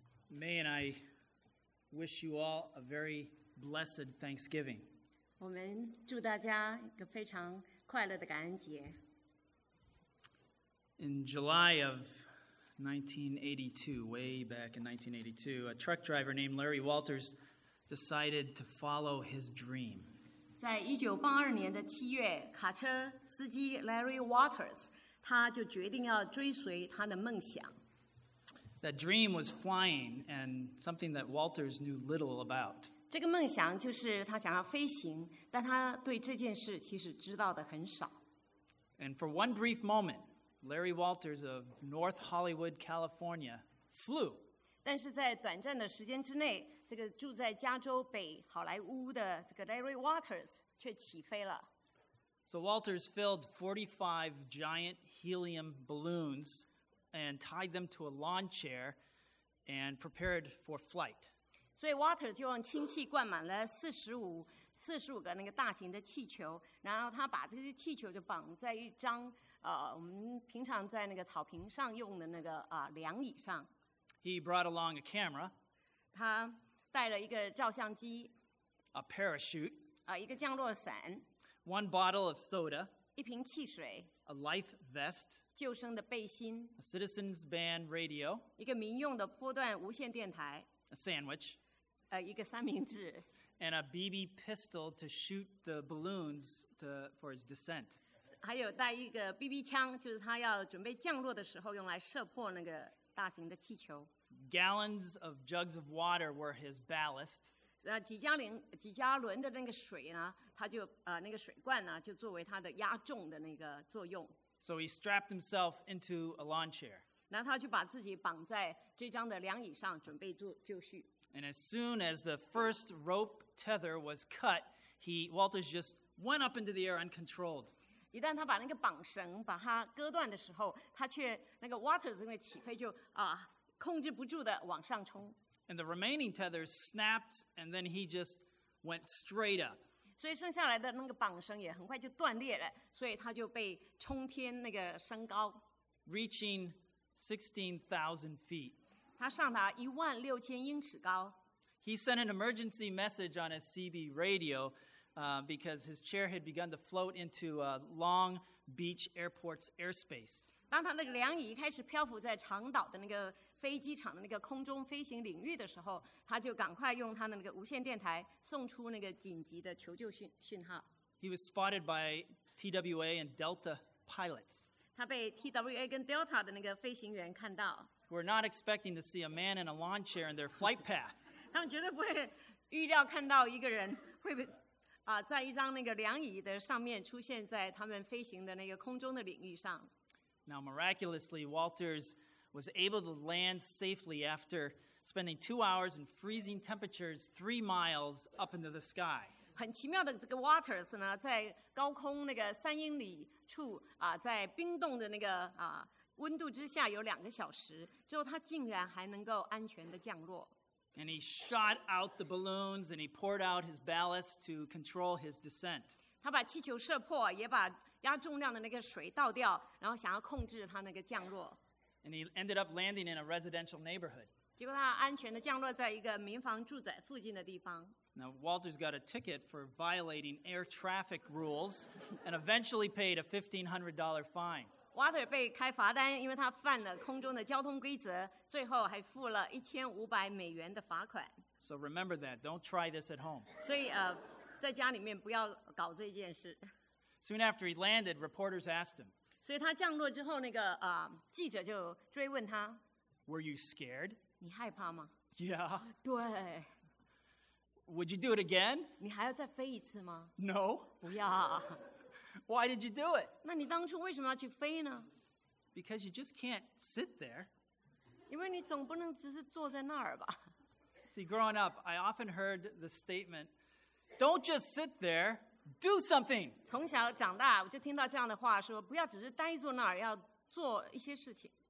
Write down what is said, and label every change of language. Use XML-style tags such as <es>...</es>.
<en>May and I wish you all a very blessed Thanksgiving.</en> <zh>我们祝大家一个非常快乐的感恩节。</zh> <en>In July of 1982, way back in 1982, a truck driver named Larry Walters decided to follow his dream.</en> <zh>在1982年的7月，卡车司机 Larry Walters 他就决定要追随他的梦想。</zh> <en>That dream was flying and something that Walters knew little about.</en> <zh>这个梦想就是他想要飞行，但他对这件事其实知道的很少。</zh> <en>And for one brief moment,Larry Walters of North Hollywood, California, flew.</en> <zh>但是在短暂的时间之内，这个住在加州北好莱坞的这个 Larry Walters 却起飞了。</zh> <en>So Walters filled 45 giant helium balloons and tied them to a lawn chair and prepared for flight.</en> <zh>所以 Waters 就用氢气灌满了四十五个那个大型的气球，然后他把这些气球就绑在一张我们平常在那个草坪上用的那个凉椅上。</zh> <en>He brought along a camera.</en> <zh>他带了一个照相机。</zh> <en>A parachute.</en> <zh>一个降落伞。</zh> <en>One bottle of soda.</en> <zh>一瓶汽水。</zh> <en>A life vest.</en> <zh>救生的背心。</zh> <en>A citizen's band radio.</en> <zh>一个民用的波段无线电台。</zh> <en>A sandwich.</en> <zh>一个三明治。</zh> <en>And a BB pistol to shoot the balloons for his descent.</en> <zh>还有带一个 BB 枪，就是他要准备降落的时候用来射破那个大型的气球。</zh> <en>Gallons of jugs of water were his ballast.</en> <zh>几加仑的那个水呢，他就那个水罐呢，就作为他的压重的那个作用。</zh> <en>So he strapped himself into a lawn chair.</en> <zh>然后他就把自己绑在这张的凉椅上，准备做就绪。</zh> <en>And as soon as the first rope tether was cut, Walters just went up into the air uncontrolled.</en> <zh>一旦他把那个绑绳把它割断的时候，他却那个 Walters 那个起飞就控制不住的往上冲。</zh> <en>And the remaining tethers snapped, and then he just went straight up.</en> <zh>所以剩下来的那个绑绳也很快就断裂了，所以他就被冲天那个升高。</zh> <en>Reaching 16,000 feet.</en> <zh>他上达一万六千英尺高。</zh> <en>He sent an emergency message on his CB radio, because his chair had begun to float into a Long Beach Airport's airspace.</en> <zh>当他那个凉椅开始漂浮在长岛的那个飞机场的那个空中飞行领域的时候，他就赶快用他的那个无线电台送出那个紧急的求救讯号。</zh> <en>He was spotted by TWA and Delta pilots.</en> <zh>他被 TWA 跟 Delta 的那个飞行员看到。</zh> <en>We're not expecting to see a man in a lawn chair in their flight path.</en> <zh>他们绝对不会预料看到一个人会在一张那个凉椅的上面出现在他们飞行的那个空中的领域上。</zh> <en>Now, miraculously, Walters was able to land safely after spending 2 hours in freezing temperatures 3 miles up into the sky.</en> <zh>很奇妙的，这个 Walters 呢，在高空那个三英里处在冰冻的那个温度之下有两个小时之后，他竟然还能够安全的降落。</zh> <en>And he shot out the balloons and he poured out his ballast to control his descent.</en> <zh>他把气球射破，也把压重量的那个水倒掉，然后想要控制他那个降落。</zh> <en>And he ended up landing in a residential neighborhood.</en> <zh>结果他安全的降落在一个民房住宅附近的地方。</zh> <en>Now Walters got a ticket for violating air traffic rules and eventually paid a $1,500 fine.</en> <zh>Water 被开罚单，因为他犯了空中的交通规则，最后还付了$1,500的罚款。</zh> <en>So remember that. Don't try this at home.</en> <zh>所以在家里面不要搞这件事。</zh> <en>Soon after he landed, reporters asked him.</en> <zh>所以他降落之后，那个记者就追问他。</zh> <en>Were you scared?</en> <zh>你害怕吗</zh> <en>？Yeah.</en> <zh>对。</zh> <en>Would you do it again?</en> <zh>你还要再飞一次吗</zh> <en>？No.</en> <zh>不要。</zh> <en>Why did you do it?</en> <zh>那你当初为什么要去飞呢</zh> <en>？Because you just can't sit there.</en> <zh>因为你总不能只是坐在那儿吧。</zh> <en>See, growing up, I often heard the statement, "Don't just sit there, do something."</en> <zh>从小长大，我就听到这样的话，说不要只是呆坐那儿，要做一些事情。</zh>